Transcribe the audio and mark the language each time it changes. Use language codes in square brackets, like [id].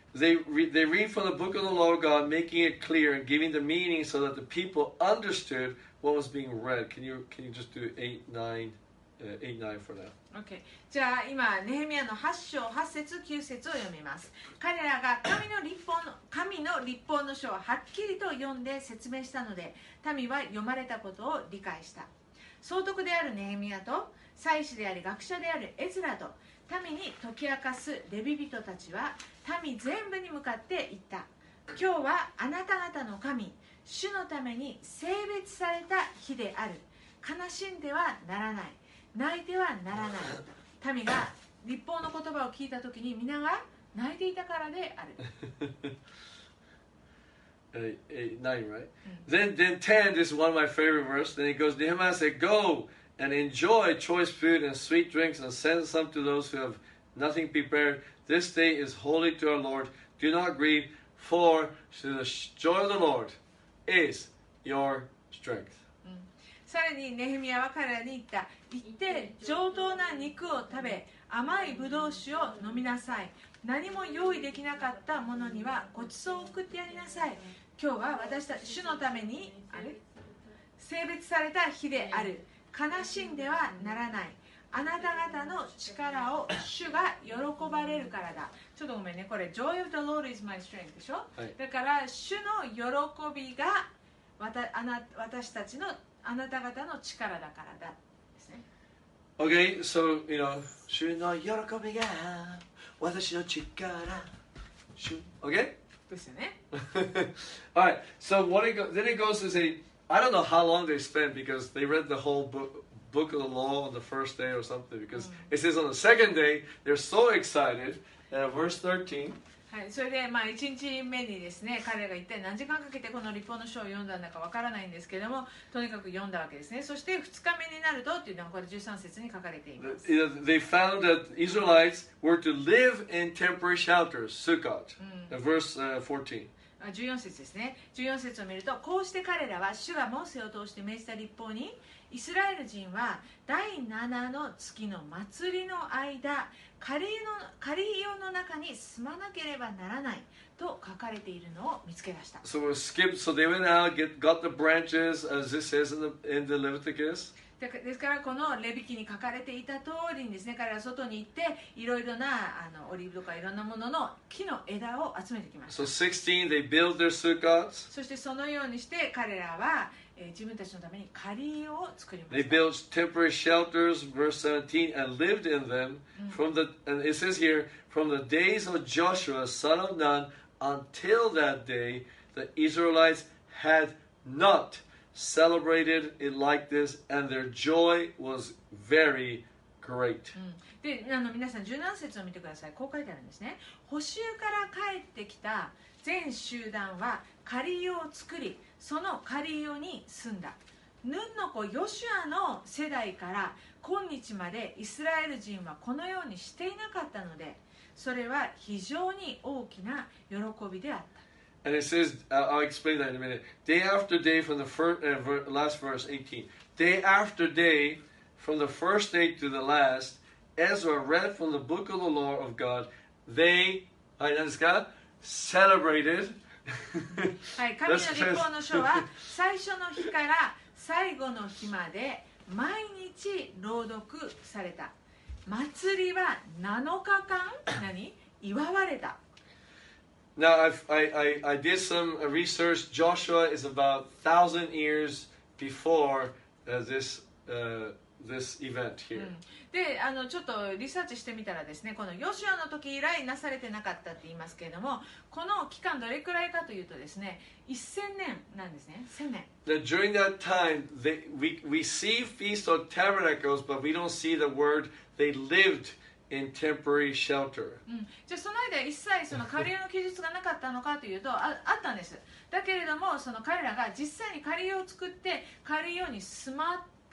[en] They read from the book of the law of God, making it clear and giving the meaning so that the people understood what was being read. Can you just do eight, nine? 89 for that. Okay. [ja] じゃあ今ネヘミヤの8章8節9節を読みます。彼らが神の律法の書をはっきりと読んで説明したので、民は読まれたことを理解した。総督であるネヘミヤと祭司であり学者であるエズラと民に解き明かすレビ人たちは民全部に向かって言った。今日はあなた方の神主のために聖別された日である。悲しんではならない、泣いてはならない。民が律法の言葉を聞いたときに皆が泣いていたからである。 [en] 9, right? Then 10, this is one of my favorite verses. Then he goes, Nehemiah said, go and enjoy choice food and sweet drinks and send some to those who have nothing prepared. This day is holy to our Lord. Do not grieve, for to the joy of the Lord is your strength. [ja] さらにネヘミヤは彼に言った。行って上等な肉を食べ、甘いブドウ酒を飲みなさい。何も用意できなかったものにはごちそうを送ってやりなさい。今日は私たち主のために、あれ、聖別された日である。悲しんではならない。あなた方の力を主が喜ばれるからだ。ちょっとごめんね、これ [en] Joy of the Lord is my strength [ja] でしょ、はい、だから主の喜びが私たちのあなた方の力だからだですね。 [en] OK, so you know [ja] 主の喜びが私の力、主 OK? ですよね。 [en] Alright, so what it goes, then it goes to say, I don't know how long they spent because they read the whole book of the law on the first day or something, because、うん、it says on the second day they're so excited, verse 13. [ja] はい、それで、まあ、1日目にですね、彼が一体何時間かけてこの律法の書を読んだのかわからないんですけども、とにかく読んだわけですね。そして2日目になるとっていうのがこれ13節に書かれています。 [en] They found that Israelites were to live in temporary shelters, Sukkot,、うん、verse 14. [ja] 14節ですね。 14節を見ると、こうして彼らは主がモーセを通して命じた律法に、イスラエル人は第7の月の祭りの間、カリイオの中に住まなければならないと書かれているのを見つけ出した。 [en] So we skipped, so they went out, got the branches, as this says in the Leviticus. [ja] ですからこのレビ記に書かれていた通りにですね、彼ら外に行っていろいろなオリーブとかいろんなものの木の枝を集めてきました。 [en] So 16, they built their sukkahs. [ja] そしてそのようにして彼らは自分たちのためにカリーを作りました。 [en] They built temporary shelters, verse 17, and lived in them from the, and it says here, from the days of Joshua, son of Nun, until that day, the Israelites had not celebrated it like this, and their joy was very great. [ja] で、皆さん、十何節を見てください。こう書いてあるんですね。捕囚から帰ってきた全集団はカリーを作り、そのカリオに住んだ。ヌンの子ヨシュアの世代から今日までイスラエル人はこのようにしていなかったので、それは非常に大きな喜びであった。 [en] And it says, I'll explain that in a minute. Day after day from the first, last verse 18. Day after day from the first day to the last, Ezra read from the book of the law of God. They, [ja] はい、何ですか? [en] Celebrated. [ja] はい、神の律法の書は最初の日から最後の日まで毎日朗読された。祭りは7日間祝われた。 [en] Now I did some research. Joshua is about 1,000 years before this, this event here、うん、 [ja] でちょっとリサーチしてみたらですね、このヨシュアの時以来なされてなかったって言いますけれども、この期間どれくらいかというとですね、1000年なんですね。 1000年 [en] that during that time they, we see Feast of Tabernacles, but we don't see the word they lived in temporary shelter、 [ja] うん、じゃあその間一切その仮屋の記述がなかったのかというと あったんです。だけれども、その彼らが実際に仮屋を作って仮屋に住まって